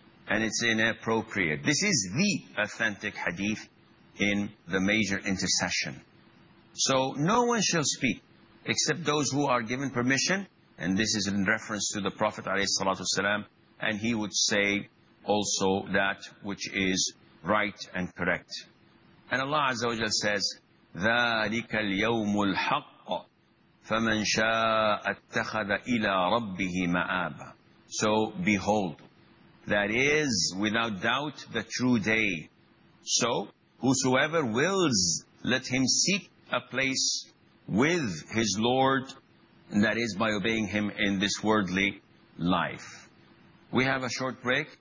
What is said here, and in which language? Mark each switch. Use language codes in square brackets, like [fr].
[en] And it's inappropriate. This is the authentic hadith in the major intercession. So no one shall speak except those who are given permission. And this is in reference to the Prophet, alayhi salatu wasalam. And he would say also that which is right and correct. And Allah Azza wa Jal says, [ar] ذلك اليوم الحق فمن شاء اتخذ إلى ربه مآبا. [en] So behold, that is without doubt the true day. So whosoever wills, let him seek a place with his Lord, and that is by obeying him in this worldly life. We have a short break.